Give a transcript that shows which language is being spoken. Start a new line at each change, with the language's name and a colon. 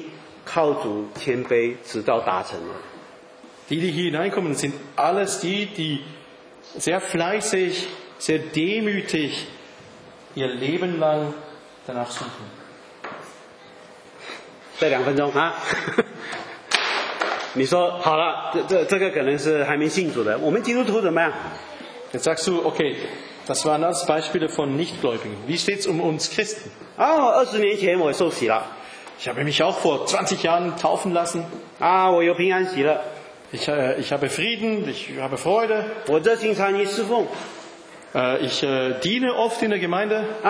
Chinese: 进天国的都是一生努力靠主谦卑直到达成的。
German: Die hier hineinkommen, sind alles die sehr fleißig, sehr demütig ihr Leben lang danach suchen.
Chinese: 再两分钟啊！你说好了，这个可能是还没信主的。我们基督徒怎么样
German: ？Jetzt sagst du, okay, das waren alles Beispiele von Nichtgläubigen. Wie steht's uns Christen?
Chinese: 哦，二十年前我受洗了。
German: Ich habe mich auch vor 20 Jahren taufen lassen.
Chinese: 啊，我有平安喜了。
German: Ich habe Frieden, ich habe Freude. Ich diene oft in der Gemeinde.